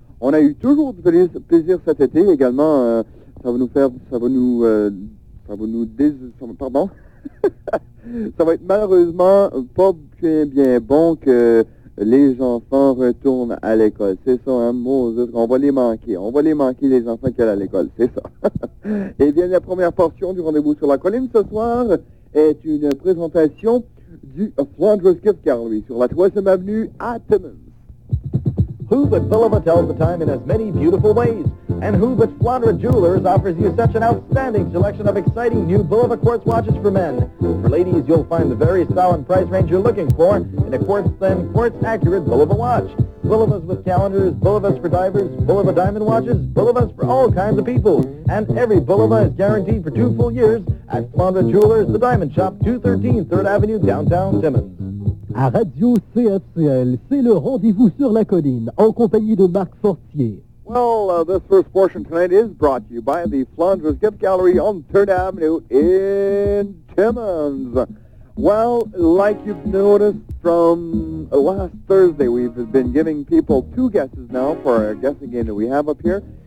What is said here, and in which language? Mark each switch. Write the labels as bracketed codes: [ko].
[fr] On a eu toujours du plaisir cet été également. Ça va être malheureusement pas bien, bien bon que les enfants retournent à l'école. C'est ça, hein, Moses. On va les manquer. On va les manquer, les enfants qui allaient à l'école. C'est ça. Eh bien, la première portion du Rendez-vous sur la colline ce soir est une présentation du Flanders Gift Car, lui, sur la 3e avenue à Timmins. [en] Who but Philippa tells the time in as many beautiful ways? And who but Flandre Jewelers offers you such an outstanding selection of exciting new Bulova quartz watches for men? For ladies, you'll find the very style and price range you're looking for in a quartz-thin, quartz-accurate Bulova watch. Bulovas with calendars, Bulovas for divers, Bulova diamond watches, Bulovas for all kinds of people. And every Bulova is guaranteed for 2 full years at Flandre Jewelers, the diamond shop, 213 3rd Avenue, downtown Timmins. [fr] À Radio CFCL, c'est le Rendez-vous sur la colline, en compagnie de Marc Fortier. [en] Well, this first portion tonight is brought to you by the Flanders Gift Gallery on 3rd Avenue in Timmins. Well, like you've noticed from last Thursday, we've been giving people 2 guesses now for our guessing game that we have up here.